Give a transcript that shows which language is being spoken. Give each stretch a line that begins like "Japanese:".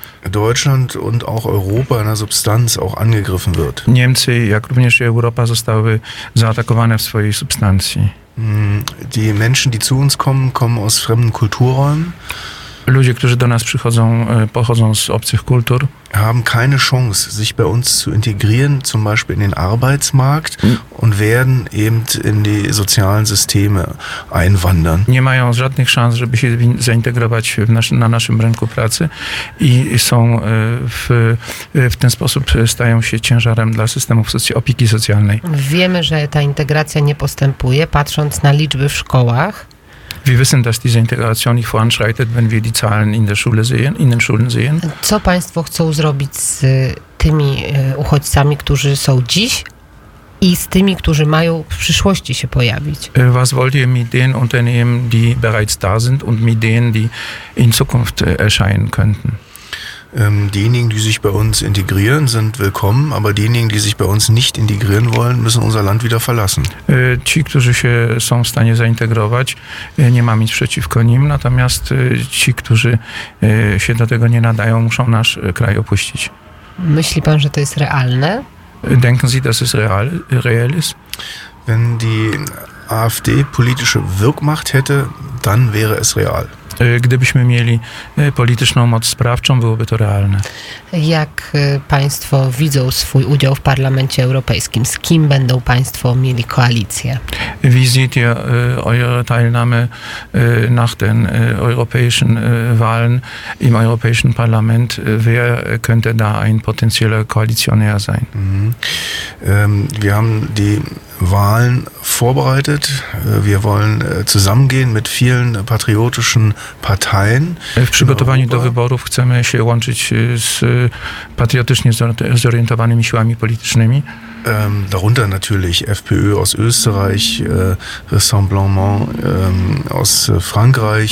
German: Deutschland und auch Europa in der Substanz auch angegriffen wird.
Polish: Niemcy, jak również Europa, zostały zaatakowane w swojej substancji.
German: Die Menschen, die zu uns kommen, kommen aus fremden Kulturräumen.
Polish: Ludzie, którzy do nas przychodzą, pochodzą z obcych kultur,
German: haben keine Chance, sich bei uns zu integrieren, zum Beispiel in den Arbeitsmarkt und werden eben in die sozialen Systeme einwandern.
Polish: Nie mają żadnych szans, żeby się zaintegrować na naszym rynku pracy i są w ten sposób stają się ciężarem dla systemów opieki socjalnej. Wiemy, że ta integracja nie postępuje, patrząc na liczby w szkołach.
German: Wir wissen, dass diese Integration nicht voranschreitet, wenn wir die Zahlen in den Schulen sehen.
Polish: Co państwo chcą zrobić z tymi uchodźcami, którzy są dziś i z tymi, którzy mają w przyszłości się pojawić?
German: Was wollt ihr mit den Unternehmen, die bereits da sind und mit denen, die in Zukunft erscheinen könnten? Diejenigen, die sich bei uns integrieren, sind willkommen, aber diejenigen, die sich bei uns nicht integrieren wollen, müssen unser Land wieder verlassen.
Polish: Ci, którzy się są w stanie zaintegrować, nie mam nic przeciwko nim, natomiast ci, którzy się do tego nie nadają, muszą nasz kraj opuścić. Myśli pan, że to jest realne?
German: Denken Sie, dass es real ist? Wenn die AfD politische Wirkmacht hätte, dann wäre es real.
Polish: Gdybyśmy mieli polityczną moc sprawczą, byłoby to realne. Jak państwo widzą swój udział w Parlamencie Europejskim? Z kim będą państwo mieli koalicję?
German: Wie sieht ihr eure Teilnahme nach den europäischen Wahlen im Europäischen Parlament? Wer könnte da ein potenzieller Koalitionär sein? Wir haben die Wahlen vorbereitet. Wir wollen zusammengehen mit vielen patriotischen Parteien.
Polish: W przygotowaniu do wyborów chcemy się łączyć z patriotycznie zorientowanymi siłami politycznymi.
German: Darunter natürlich FPÖ aus Österreich, Rassemblement aus Frankreich.